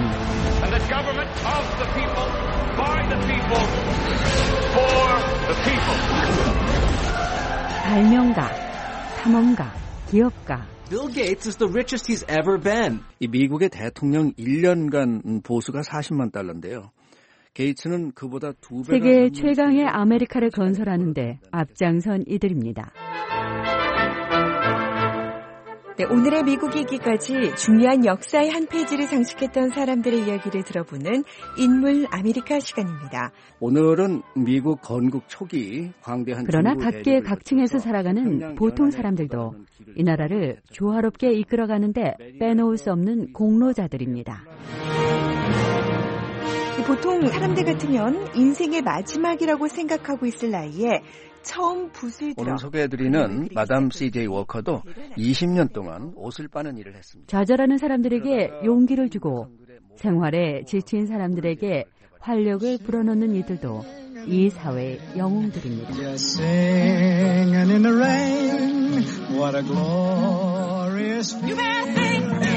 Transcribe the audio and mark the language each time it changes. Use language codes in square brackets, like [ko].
[en] And the government of the people, by the people, for the people. [ko] 발명가, 탐험가, 기업가. [en] Bill Gates is the richest he's ever been. [ko] 이 미국의 대통령 1년간 보수가 40만 달러인데요. 게이츠는 그보다 두 배가 세계 최강의 아메리카를 건설하는데 앞장선 이들입니다. 네, 오늘의 미국이기까지 중요한 역사의 한 페이지를 장식했던 사람들의 이야기를 들어보는 인물 아메리카 시간입니다. 오늘은 미국 건국 초기 광대한 그러나 각계 각층에서 살아가는 보통 사람들도 이 나라를 조화롭게 이끌어가는데 빼놓을 수 없는 공로자들입니다. 보통 사람들 같으면 인생의 마지막이라고 생각하고 있을 나이에 처음 붓을 들어 오늘 소개해드리는 마담 CJ 워커도 20년 동안 옷을 빠는 일을 했습니다. 좌절하는 사람들에게 용기를 주고 생활에 지친 사람들에게 활력을 불어넣는 이들도 이 사회의 영웅들입니다. [en] Singing in the rain, what a glorious feeling.